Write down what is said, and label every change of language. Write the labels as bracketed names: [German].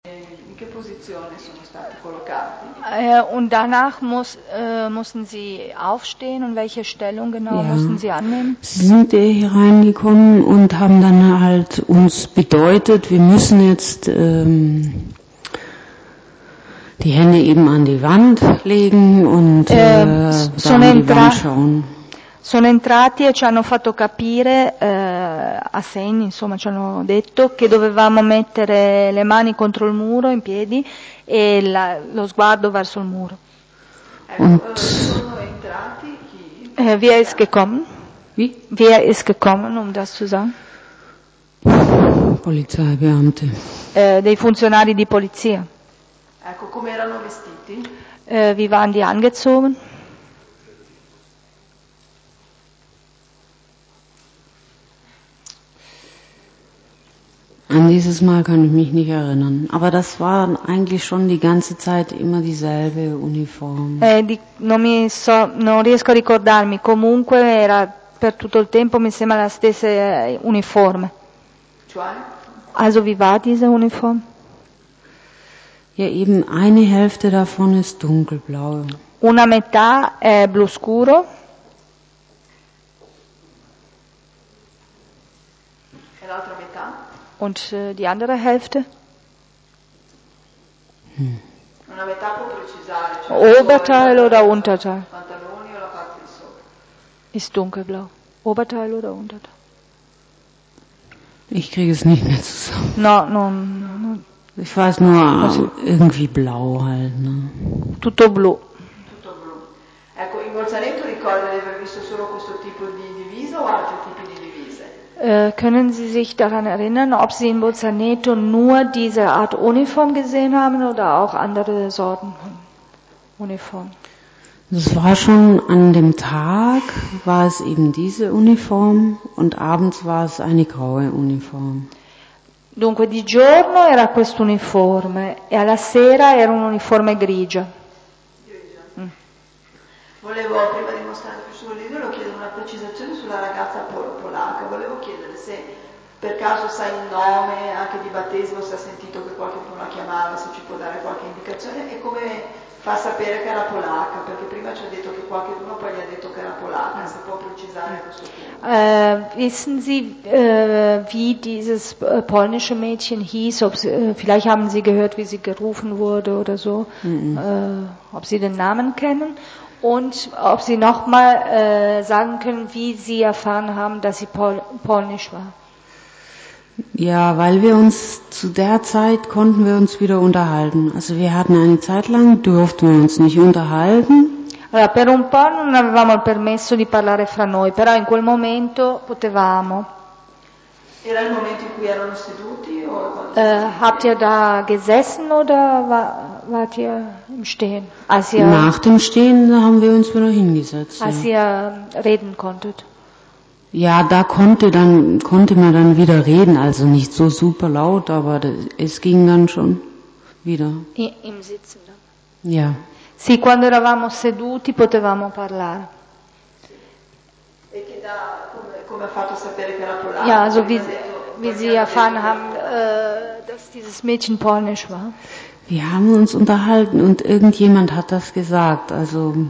[Italian] che posizione sono stati collocati? [German] Und danach mussten sie aufstehen und welche Stellung genau mussten sie annehmen? Sie sind hier reingekommen und haben dann halt uns bedeutet, wir müssen jetzt die Hände eben an die Wand legen und sagen, die Wand schauen. [Italian] Sono entrati e ci hanno fatto capire, a segni, insomma, ci hanno detto che dovevamo mettere le mani contro il muro, in piedi, e lo sguardo verso il muro. Und sono entrati chi? [German] Wer ist gekommen? Wie? Wer ist gekommen, um das zu sagen? Polizeibeamte. [Italian] Dei funzionari di polizia. Ecco, come erano vestiti? [German] Wie waren die angezogen? An dieses Mal kann ich mich nicht erinnern, aber das war eigentlich schon die ganze Zeit immer dieselbe Uniform. [Italian] Non riesco a ricordarmi, comunque era per tutto il tempo mi sembra la stessa uniforme. Cioè? [German] Also wie war diese Uniform? Ja, eben eine Hälfte davon ist dunkelblau. [Italian] Una metà è blu scuro. E l'altra metà? [German] Und die andere Hälfte? [Italian] Una metà può precisare, [German] cioè Oberteil oder Unterteil? [Italian] Pantaloni o la parte di sotto? [German] Ist dunkelblau. Oberteil oder Unterteil? Ich kriege es nicht mehr zusammen. No. Ich weiß nur, irgendwie blau halt. Ne? [Italian] Tutto blu. Tutto blu. Ecco, in Bolzaletto ricorda di aver visto solo questo tipo di divisa o altri tipi di divise? [German] Können Sie sich daran erinnern, ob Sie in Bolzaneto nur diese Art Uniform gesehen haben oder auch andere Sorten Uniform? Das war schon an dem Tag, war es eben diese Uniform und abends war es eine graue Uniform. [Italian] Dunque, di giorno era questo uniforme e alla sera era un uniforme grigio. Volevo, prima di mostrare più sul libro, chiedere una precisazione sulla ragazza polacca. Volevo chiedere se per caso sa il nome anche di battesimo, se ha sentito che qualcuno la chiamava, se ci può dare qualche indicazione e come fa a sapere che era polacca, perché prima ci ha detto che qualcuno poi gli ha detto che era polacca, se può precisare questo punto. [German] Wissen Sie, wie dieses polnische Mädchen hieß, ob Sie, vielleicht haben Sie gehört, wie sie gerufen wurde oder so, ob Sie den Namen kennen? Und ob Sie nochmal sagen können, wie Sie erfahren haben, dass sie polnisch war. Ja, weil wir uns zu der Zeit konnten wir uns wieder unterhalten. Also wir hatten eine Zeit lang, durften wir uns nicht unterhalten. [Italian] Allora, per un po' non avevamo il permesso di parlare fra noi, però in quel momento potevamo. Era il momento in cui erano seduti o [German] Habt ihr da gesessen oder wart ihr im Stehen? Als ihr, nach dem Stehen haben wir uns wieder hingesetzt. Als ihr reden konntet. Ja, da konnte man dann wieder reden, also nicht so super laut, aber es ging dann schon wieder. Im Sitzen dann. Ja. [Italian] Sì, quando eravamo seduti potevamo parlare. E che da come ha fatto a sapere che era polacca? [German] Ja, also wie sie erfahren haben, dass dieses Mädchen polnisch war. Wir haben uns unterhalten und irgendjemand hat das gesagt, also.